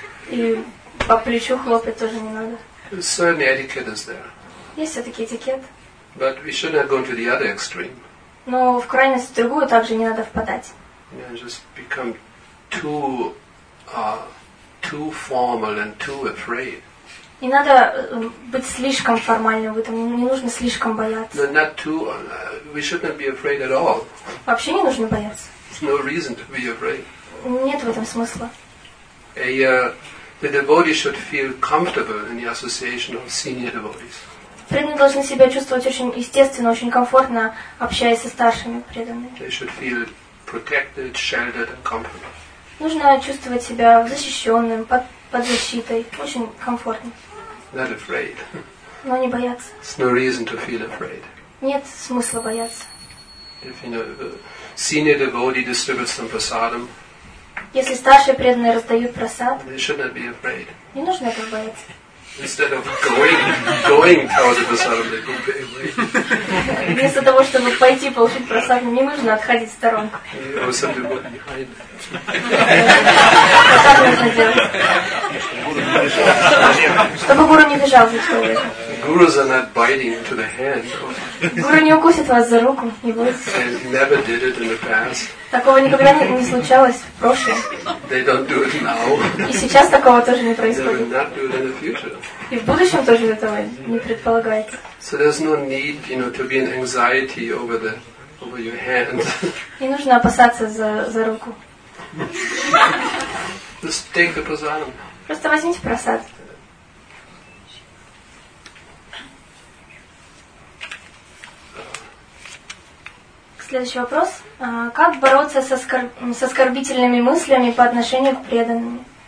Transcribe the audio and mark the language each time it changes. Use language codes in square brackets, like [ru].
[ru] И по плечу хлопать тоже не надо. [en] Certain etiquette is there. [ru] Есть все-таки этикет. [en] But we should not go to the other extreme. [ru] Но в крайность другую также не надо впадать. [en] Yeah, just become too formal and too afraid. [ru] Не надо быть слишком формальным в этом. Не нужно слишком бояться. [en] No, not too. We should not be afraid at all. [ru] Вообще не нужно бояться. [en] No reason to be afraid. [ru] Нет в этом смысла. [en] The devotee should feel comfortable in the association of senior devotees. [ru] Преданные должны себя чувствовать очень естественно, очень комфортно, общаясь со старшими преданными. [en] They should feel protected, sheltered, and comfortable. [ru] Нужно чувствовать себя защищенным, под защитой, очень комфортно. [en] Not afraid. [ru] Но не бояться. [en] There's no reason to feel afraid. [ru] Нет смысла бояться. [en] If, you know, senior devotee distributes some prasadam. [ru] Если старшие преданные раздают просад, [en] they should not be afraid. [ru] Не нужно этого бояться. [en] Instead of going towards the prasad, they go away. [ru] Вместо того, чтобы пойти получить просад, не нужно отходить в сторонку. [en] Or somebody would behind. [ru] Как нужно делать? Чтобы гуру не бежал за человеком. [en] Gurus are not biting into the hand. [ru] Гуру не укусит вас за руку, не бойтесь. [en] And never did it in the past. [ru] Такого никогда не случалось в прошлом. [en] They don't do it now. [ru] И сейчас такого тоже не происходит. [en] They will not do it in the future. [ru] И в будущем тоже этого не предполагается. [en] So there's no need, you know, to be in anxiety over your hand. [ru] Не нужно опасаться за руку. [en] Just take the prasad. [ru] Просто возьмите просад. Следующий вопрос. Как бороться с оскорбительными мыслями по отношению к преданным?